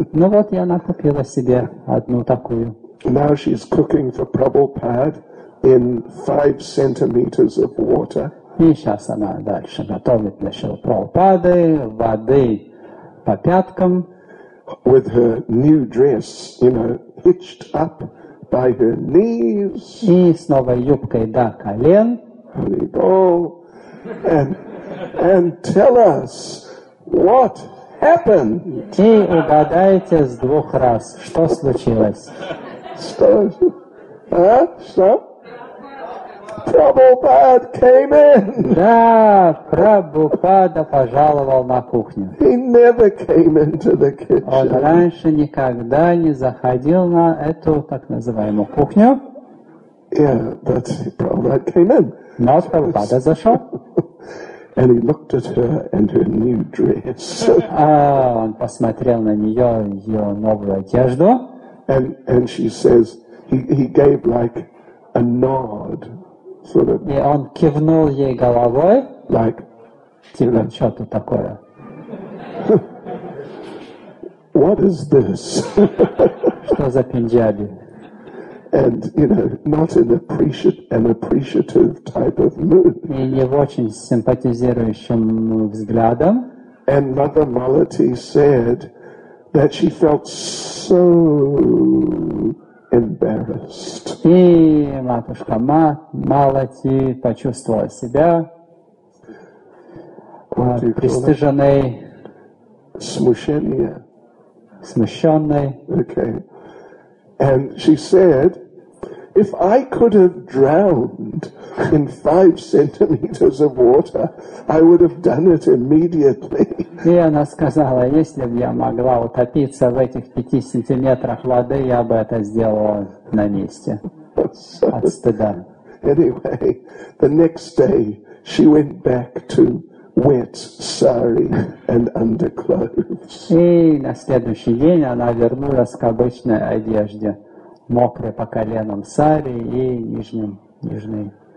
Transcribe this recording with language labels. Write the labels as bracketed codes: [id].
[ru] Ну вот, и она купила себе одну такую. [en] Now she's cooking for Prabhupada in 5 centimeters of water. [ru] И сейчас она дальше готовит для Шрилы Прабхупады воды по пяткам. [en] With her new dress, you know, hitched up by her knees. [ru] И с новой юбкой до колен. [en] Holy ball. And tell us what happened. [ru] И угадайте с двух раз, что случилось. Что? А? Что? [en] Prabhupada came in. [ru] Да, Прабхупада пожаловал на кухню. [en] He never came into the kitchen. [ru] Он раньше никогда не заходил на эту так называемую кухню. [en] Yeah, but Prabhupada came in. [ru] Но Прабхупада зашел. [en] And he looked at her and her new dress. [ru] А он посмотрел на нее, ее новую одежду. [en] And she says, he gave like a nod. Sort of, [ru] и он кивнул ей головой, [en] like, [ru] типа, [en] you know, [ru] что тут такое? [en] What is this? [ru] Что за пинджаби? [en] And, you know, not in an appreciative type of mood. [ru] И не в очень симпатизирующем взглядом. [en] And Mother Malati said that she felt so embarrassed. [ru] И матушка Малати почувствовала себя пристыженной, смущенной. [en] Okay. And she said, if I could have drowned in 5 centimeters of water, I would have done it immediately. [ru] И она сказала, если бы я могла утопиться в этих 5 сантиметрах воды, я бы это сделала на месте. От стыда. [en] Anyway, the next day she went back to wet sari and underclothes. [ru] И на следующий день она вернулась к обычной одежде. мокрые по коленам сари и нижней одежды.